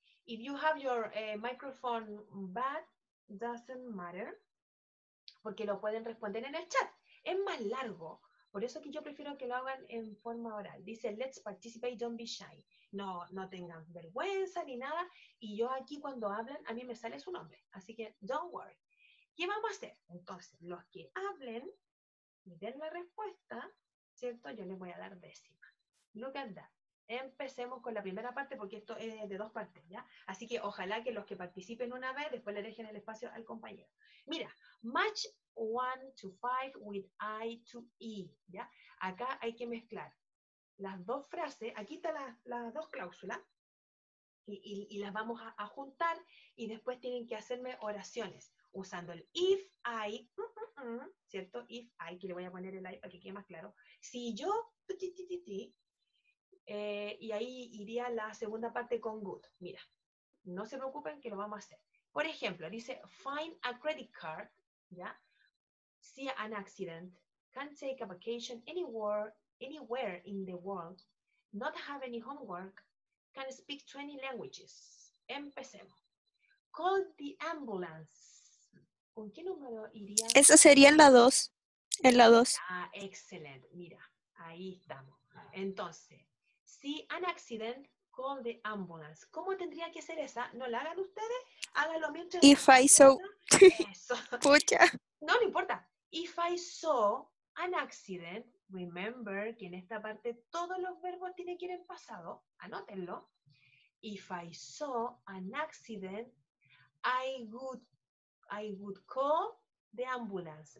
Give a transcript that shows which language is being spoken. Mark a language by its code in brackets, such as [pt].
[en] If you have your microphone bad, doesn't matter. [es] Porque lo pueden responder en el chat. Es más largo. Por eso que yo prefiero que lo hagan en forma oral. Dice, [en] let's participate, don't be shy. [es] No tengan vergüenza ni nada. Y yo aquí cuando hablan, a mí me sale su nombre. Así que, [en] don't worry. [es] ¿Qué vamos a hacer? Entonces, los que hablen y den la respuesta, ¿cierto? Yo les voy a dar décima. [en] Look at that. [es] Empecemos con la primera parte, porque esto es de dos partes, ¿ya? Así que ojalá que los que participen una vez, después le dejen el espacio al compañero. [en] Mira, match 1 to 5 with I to E, ¿ya? [es] Acá hay que mezclar las dos frases, aquí están las dos cláusulas, y las vamos a juntar, y después tienen que hacerme oraciones, usando el if I, ¿cierto? If I, que le voy a poner el I para que quede más claro. Si yo, y ahí iría la segunda parte con good. Mira, no se preocupen que lo vamos a hacer. Por ejemplo, dice, [en] find a credit card, [es] ¿ya? [en] See an accident, can take a vacation anywhere in the world, not have any homework, can speak 20 languages. Empecemos. Call the ambulance. [es] ¿Con qué número iría? Esa sería en la 2. [en] Ah, excellent. [es] Mira, ahí estamos. Entonces, [en] see an accident, call the ambulance. [es] ¿Cómo tendría que ser esa? ¿No la hagan ustedes? Háganlo mientras. [en] If I saw. [es] Eso. Pucha. No importa. [en] If I saw an accident, remember [es] que en esta parte todos los verbos tienen que ir en pasado. Anótenlo. [en] If I saw an accident, I would call the ambulance.